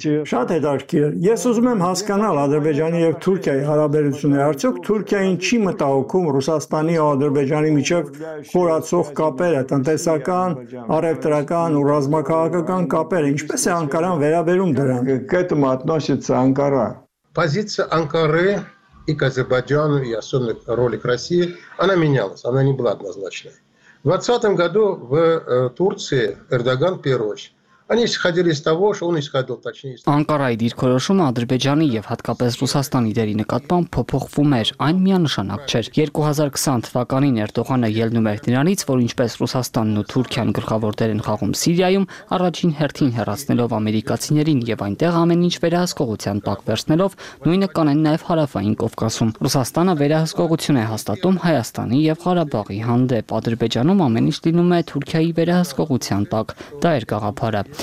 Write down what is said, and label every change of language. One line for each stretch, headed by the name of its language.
Armenian: Շատ հետաքրքիր։ Ես ուզում եմ հասկանալ Ադրբեջանի եւ Թուրքիայի հարաբերությունները, արդյոք Թուրքիային չի մտահոգում Ռուսաստանի ու Ադրբեջանի միջև խորացող կապերը, տնտեսական, առևտրական ու ռազմաքաղաքական կապերը, ինչպես է Անկարան վերաբերում դրան։ Կետը մատնաշեց Անկարա։
Russian: Позиция Анкары и Азербайджана и особенно роли России, она менялась, она не была однозначной. В 20 году в Турции Эрдоган первый
Armenian: Անկարայի դիրքորոշումը Ադրբեջանի եւ հատկապես Ռուսաստանի դերի նկատմամբ փոփոխվում էր, այն միանշանակ չէր։ 2020 թվականին Էրդողանը ելնում էր դրանից, որ ինչպես Ռուսաստանն ու Թուրքիան գլխավոր դեր են խաղում Սիրիայում, առաջին հերթին հեռացնելով ամերիկացիներին եւ այնտեղ ամեն ինչ վերահսկողության տակ վերցնելով, նույնը կանեն նաեւ Հարավային Կովկասում։ Ռուսաստանը վերահսկողություն է հաստատում Հայաստանի եւ Ղարաբաղի հանդեպ, Ադրբեջանում ամեն ինչ լինում է Թուրքիայի վերահսկողության տակ։ Դա էր գաղափարը։